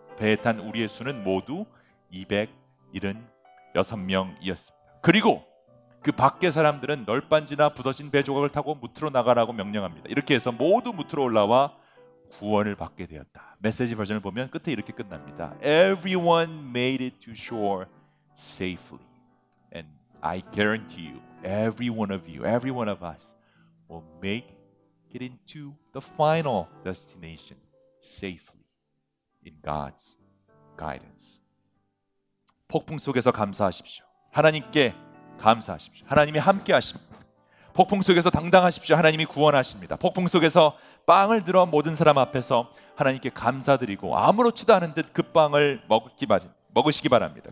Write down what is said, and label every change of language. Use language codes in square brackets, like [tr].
[ko] 배에 탄 우리의 수는 모두 276명이었습니다. 그리고 그 밖에 사람들은 널빤지나 부서진 배 조각을 타고 무트로 나가라고 명령합니다. 이렇게 해서 모두 무트로 올라와 구원을 받게 되었다. 메시지 버전을 보면 끝에 이렇게 끝납니다. [en] Everyone made it to shore safely. And I guarantee you, every one of you, every one of us will make it into the final destination safely in God's guidance. [ko] 폭풍 속에서 감사하십시오. 하나님께 감사하십시오. 하나님이 함께 하십니다. 폭풍 속에서 당당하십시오. 하나님이 구원하십니다. 폭풍 속에서 빵을 들어 모든 사람 앞에서 하나님께 감사드리고 아무렇지도 않은 듯 그 빵을 먹으시기 바랍니다.